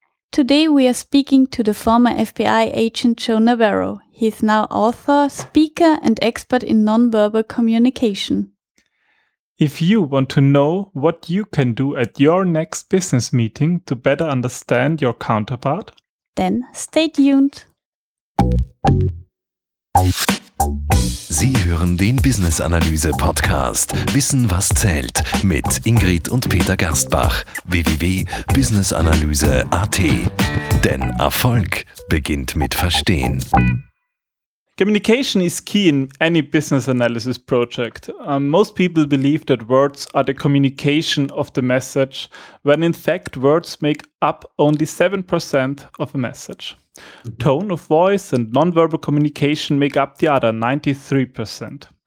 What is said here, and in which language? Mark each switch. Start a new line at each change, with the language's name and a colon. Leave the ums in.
English: Today we are speaking to the former FBI agent Joe Navarro. He is now author, speaker, and expert in nonverbal communication. If you want to know what you can do at your next business meeting to better understand your counterpart, then stay tuned.
German: Sie hören den Business Analyse Podcast Wissen, was zählt mit Ingrid und Peter Gerstbach. www.businessanalyse.at Denn Erfolg beginnt mit Verstehen.
English: Communication is key in any business analysis project. Um, most people believe that words are the communication of the message, when in fact words make up only seven percent of a message. Tone of voice and nonverbal communication make up the other 93%.